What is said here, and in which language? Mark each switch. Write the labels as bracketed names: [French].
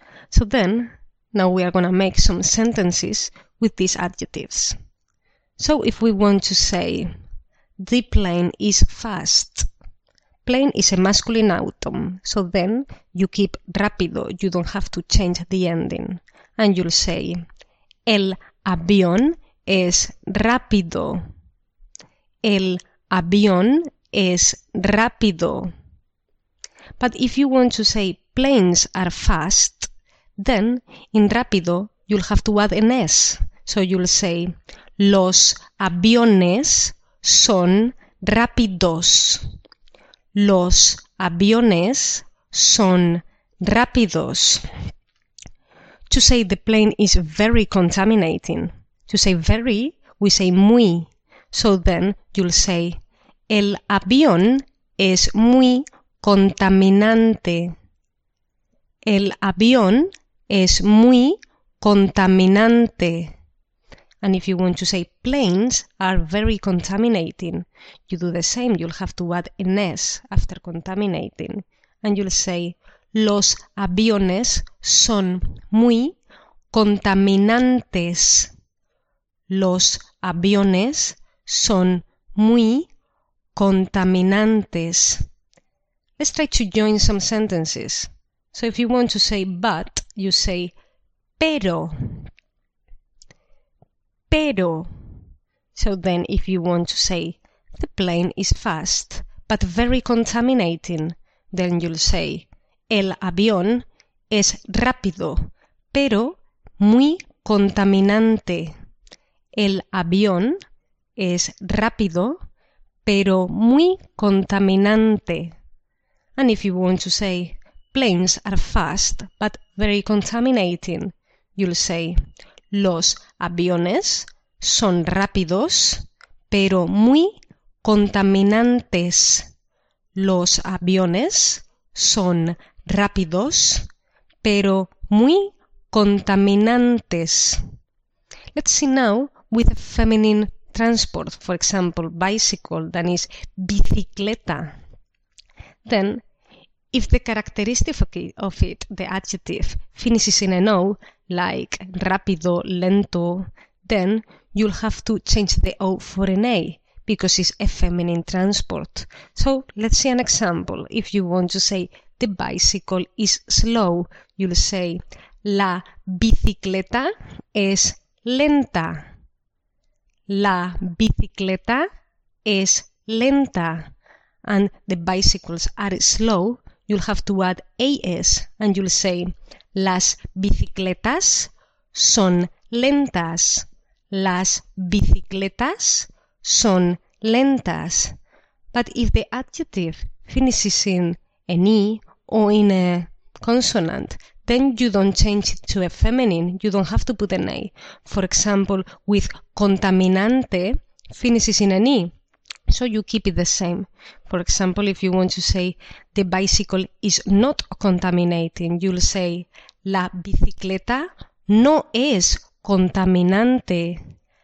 [English] So then, now we are going to make some sentences with these adjectives. So if we want to say, the plane is fast. Plane is a masculine noun. So then you keep rápido. You don't have to change the ending. And you'll say, [Spanish] el avión es rápido. El avión es rápido. [English] But if you want to say planes are fast, then in rápido you'll have to add an S. So you'll say, [Spanish] los aviones son rápidos. Los aviones son rápidos. [English] To say the plane is very contaminating. To say very, we say muy. So then you'll say, [Spanish] el avión es muy contaminante. El avión es muy contaminante. [English] And if you want to say planes are very contaminating, you do the same. You'll have to add an S after contaminating. And you'll say, [Spanish] los aviones son muy contaminantes. Los aviones son muy contaminantes. [English] Let's try to join some sentences. So if you want to say but, you say pero. Pero. So then if you want to say the plane is fast but very contaminating, then you'll say [Spanish] el avión es rápido pero muy contaminante. El avión es rápido pero muy contaminante. [English] And if you want to say planes are fast but very contaminating, you'll say [Spanish] los aviones son rápidos pero muy contaminantes. Los aviones son rápidos pero muy contaminantes. [English] Let's see now with a feminine transport, for example, bicycle, that is bicicleta. Then, if the characteristic of it, the adjective, finishes in an O, like rápido, lento, then you'll have to change the O for an A, because it's a feminine transport. So let's see an example. If you want to say the bicycle is slow, you'll say [Spanish] la bicicleta es lenta. La bicicleta es lenta. [English] And the bicycles are slow, you'll have to add AS and you'll say [Spanish] las bicicletas son lentas. Las bicicletas son lentas. [English] But if the adjective finishes in an E or in a consonant, then you don't change it to a feminine. You don't have to put an A. For example, with contaminante finishes in an E, So you keep it the same. For example, if you want to say the bicycle is not contaminating, you'll say [Spanish] la bicicleta no es contaminante.